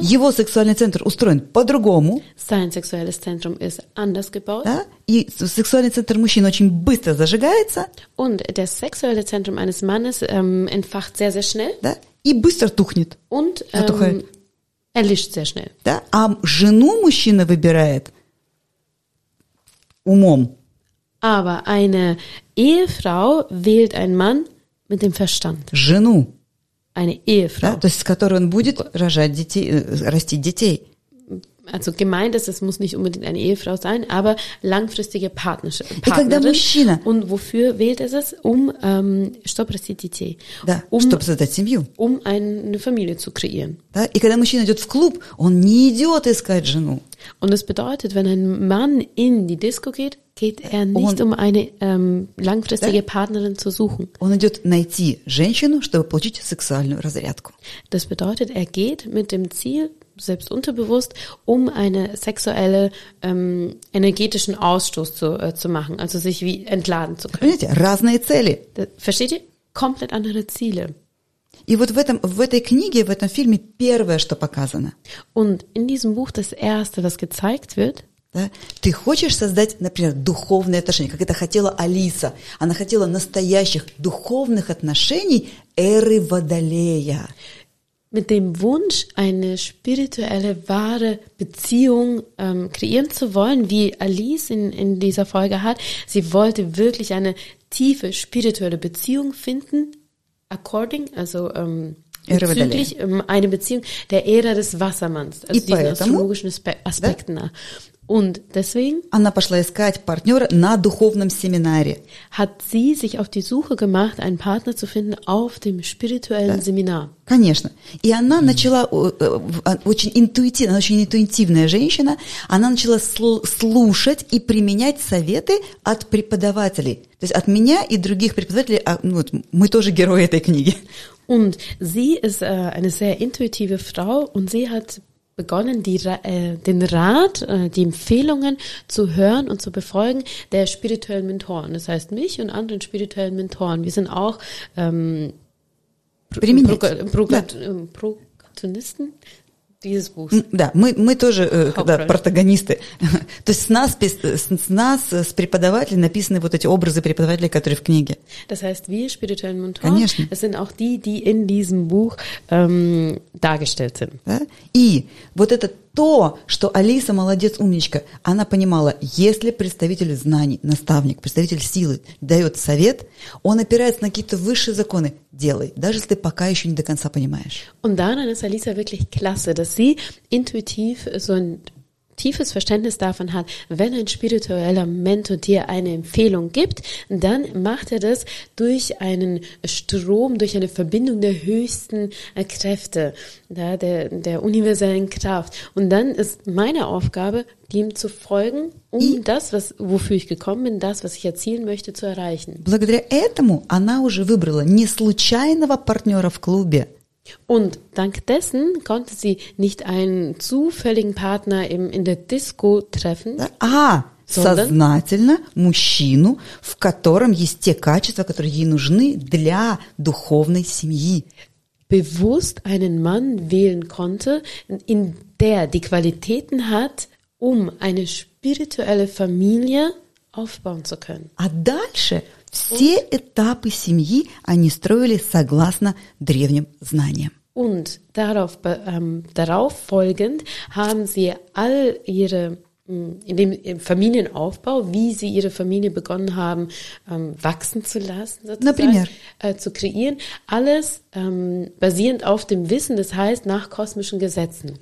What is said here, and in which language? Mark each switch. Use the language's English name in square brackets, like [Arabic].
[Russian] Его сексуальный центр устроен по-другому. [German] Sein sexuelles Zentrum ist anders gebaut. [Russian] Да? И сексуальный центр мужчины очень быстро зажигается. [German] Und das sexuelle Zentrum eines Mannes entfacht sehr, sehr schnell. [Russian] Да? И быстро тухнет. [German] Und erlischt sehr schnell. [Russian] Да? А жену мужчина выбирает умом. [German] Aber eine Ehefrau wählt einen Mann mit dem Verstand. [Russian] Жену. [German] Eine Ehefrau. [Russian] Да, то есть с которой он будет рожать детей, растить детей. [German] Also gemeint ist, es muss nicht unbedingt eine Ehefrau sein, aber langfristige Partnerin. [Russian] И когда мужчина... [German] Und wofür wählt es es? [Russian] Чтобы растить детей. Да, чтобы создать семью. [German] Eine Familie zu kreieren. [Russian] Да, и когда мужчина идет в клуб, он не идет искать жену. [German] Und es bedeutet, wenn ein Mann in die Disco geht, geht er nicht, eine langfristige Partnerin zu suchen. [Russian] Он идет найти женщину, чтобы получить сексуальную разрядку. [German] Das bedeutet, er geht mit dem Ziel, selbst unterbewusst, eine sexuelle, energetischen Ausstoß zu machen, also sich wie entladen zu können. [Russian] Понимаете? Разные цели. [German] Versteht ihr? Komplett andere Ziele. [Russian] И вот в этой книге, в этом фильме первое, что показано. [German] Und in diesem Buch das erste, was gezeigt wird, [Russian] Да? Ты хочешь создать, например, духовные отношения, как это хотела Алиса. Она хотела настоящих духовных отношений эры Водолея. [German] Mit dem Wunsch, eine spirituelle, wahre Beziehung kreieren zu wollen, wie Alice in dieser Folge hat. Sie wollte wirklich eine tiefe, spirituelle Beziehung finden, according, also bezüglich eine Beziehung der Ära des Wassermanns, also diesen astrologischen Aspekten nach. Und deswegen [Russian] она пошла искать партнера на духовном семинаре. [German] Hat sie sich auf die Suche gemacht, einen Partner zu finden auf dem spirituellen Seminar. [Russian] Конечно. И она начала очень интуитивно, она очень интуитивная женщина, она начала слушать и применять советы от преподавателей. То есть от меня и других преподавателей, ну, вот мы тоже герои этой книги. [German] Und sie ist eine sehr intuitive Frau und sie hat begonnen, den Rat, die Empfehlungen zu hören und zu befolgen der spirituellen Mentoren. Das heißt, mich und anderen spirituellen Mentoren. Wir sind auch Protagonisten dieses Buchs. [Russian] Да, мы тоже протагонисты. То есть с нас, с преподавателей, написаны вот эти образы преподавателей, которые в книге. [German] Das heißt, wir spirituellen Mentoren, es sind auch die, die in diesem Buch dargestellt sind. [Russian] Да? И вот это то, что Алиса молодец, умничка, она понимала, если представитель знаний, наставник, представитель силы дает совет, он опирается на какие-то высшие законы, делай, даже если ты пока еще не до конца понимаешь. [German] Und daran ist Алиса wirklich klasse, dass sie intuitiv so ein tiefes Verständnis davon hat, wenn ein spiritueller Mentor dir eine Empfehlung gibt, dann macht er das durch einen Strom, durch eine Verbindung der höchsten Kräfte, der universellen Kraft. Und dann ist meine Aufgabe, dem zu folgen, das, was, wofür ich gekommen bin, das, was ich erzielen möchte, zu erreichen. [Russian] Благодаря этому она уже выбрала не случайного партнера в клубе. [German] Und dank dessen konnte sie nicht einen zufälligen Partner in der Disco treffen, [Russian] сознательно мужчину, в котором есть те качества, которые ей нужны для духовной семьи. [German] Bewusst einen Mann wählen konnte, in der die Qualitäten hat, um eine spirituelle Familie aufbauen zu können. [Russian] А дальше все этапы семьи они строили согласно древним знаниям. [German] Und darauf folgend haben sie all ihre in dem Familienaufbau, wie sie ihre Familie begonnen haben, wachsen zu lassen, sozusagen, [Russian] например, [German] zu kreieren, alles basierend auf dem Wissen, das heißt nach kosmischen Gesetzen.